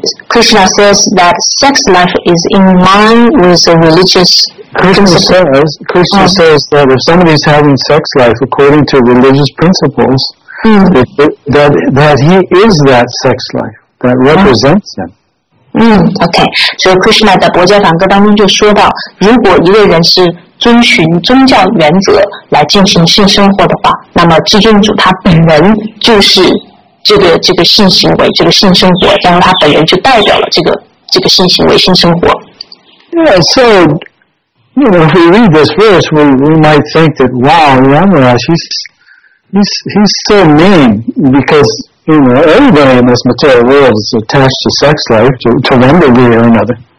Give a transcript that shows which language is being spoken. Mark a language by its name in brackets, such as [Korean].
[English] Krishna says that sex life is in line with the religious principles. Krishna says that if somebody is having sex life according to religious principles, that he is that sex life that represents him. Okay. So [Chinese] Krishna 在《薄伽梵歌》当中就说到，如果一个人是遵循宗教原则来进行性生活的话，那么至尊主他本人就是这个性行为，这个性生活，然后他本人就代表了这个性行为、性生活。 [English] Yeah, so, you know, if we read this verse, we might think that, wow, Yamaraj, he's so mean, because, you know, everybody in this material world is attached to sex life, to one degree or another.